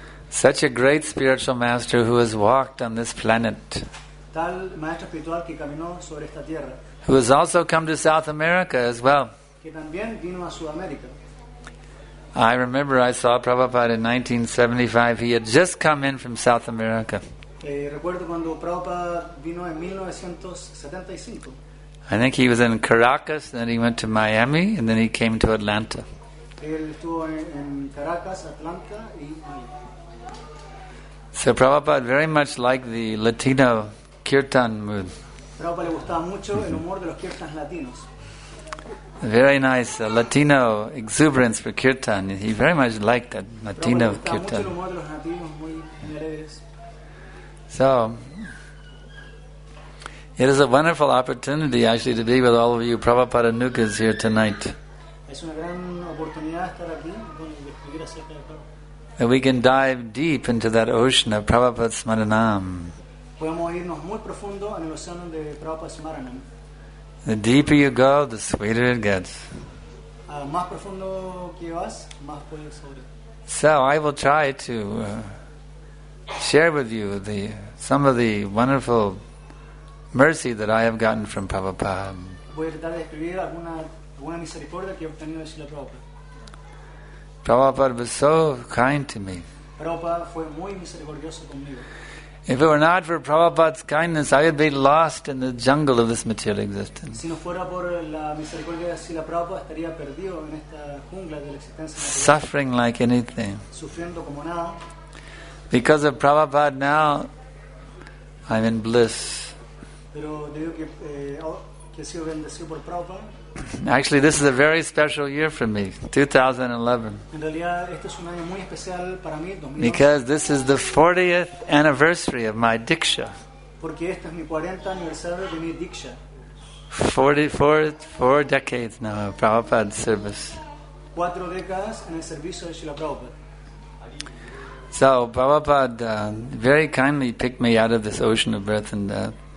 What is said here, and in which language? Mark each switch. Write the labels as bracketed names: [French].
[English] Such a great spiritual master who has walked on this planet, [Spanish] tal maestro espiritual que caminó sobre esta tierra, [English] who has also come to South America as well. [Spanish] Que también vino a Sudamérica. [English] I remember I saw Prabhupada in 1975. He had just come in from South America. [Spanish] Recuerdo cuando Prabhupada vino en 1975. [English] I think he was in Caracas, then he went to Miami, and then he came to Atlanta. [Spanish] Él estuvo en Caracas, Atlanta y Miami. [English] So Prabhupada very much liked the Latino kirtan mood. [Spanish] Prabhupada le gustaba mucho el humor de los kirtans latinos. [English] Very nice Latino exuberance for kirtan. He very much liked that Latino kirtan. [Spanish] Mucho el humor de los latinos, muy alegres. [English] So, it is a wonderful opportunity actually to be with all of you Prabhupada Nukas here tonight. [Spanish] Es una gran oportunidad estar aquí, discutir acerca de Prabhupada. [English] That we can dive deep into that ocean of Prabhupada Smaranam. [Spanish] Podemos irnos muy profundo en el océano de Prabhupada Smaranam. [English] The deeper you go, the sweeter it gets. [Spanish] Más profundo que vas, más puede sobre. [English] So I will try to share with you some of the wonderful mercy that I have gotten from Prabhupada. [Spanish] Voy a tratar de escribir alguna misericordia que he obtenido de Srila Prabhupada. [English] Prabhupada was so kind to me. [Spanish] Prabhupada fue muy misericordioso conmigo. [English] If it were not for Prabhupada's kindness, I would be lost in the jungle of this material existence. [Spanish] Si no fuera por la misericordia de Srila Prabhupada, estaría perdido en esta jungla de la existencia material. [English] Suffering like anything. [Spanish] Sufriendo como nada. [English] Because of Prabhupada now, I'm in bliss. [Spanish] Pero debido a que he sido bendecido por Prabhupada. [English] Actually, this is a very special year for me, 2011. [Spanish] En realidad, este es un año muy especial para mí, 2011. [English] Because this is the 40th anniversary of my diksha. [Spanish] Porque este es mi 40 aniversario de mi diksha. [English] 44 decades now of Prabhupada's service. [Spanish] 4 décadas en el servicio de Srila Prabhupada. [English] So Prabhupada very kindly picked me out of this ocean of birth and death.